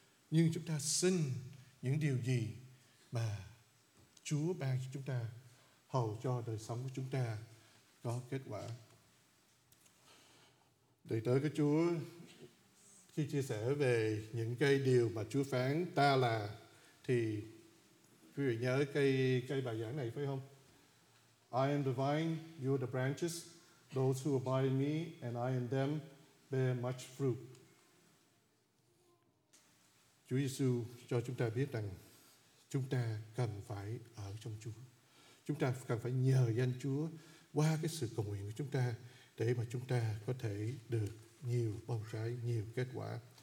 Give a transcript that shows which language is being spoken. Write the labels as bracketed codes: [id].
[vi] Nhưng chúng ta xin những điều gì mà Chúa ban cho chúng ta, hầu cho đời sống của chúng ta có kết quả. Đệ tớ của Chúa khi chia sẻ về những cái điều mà Chúa phán ta là, thì quý vị nhớ cái bài giảng này phải không? [en] I am the vine, you are the branches. Those who abide in me and I in them bear much fruit. [vi] Chúa Giêsu cho chúng ta biết rằng chúng ta cần phải ở trong Chúa. Chúng ta cần phải nhờ danh Chúa qua cái sự cầu nguyện của chúng ta để mà chúng ta có thể được nhiều bông trái, nhiều kết quả.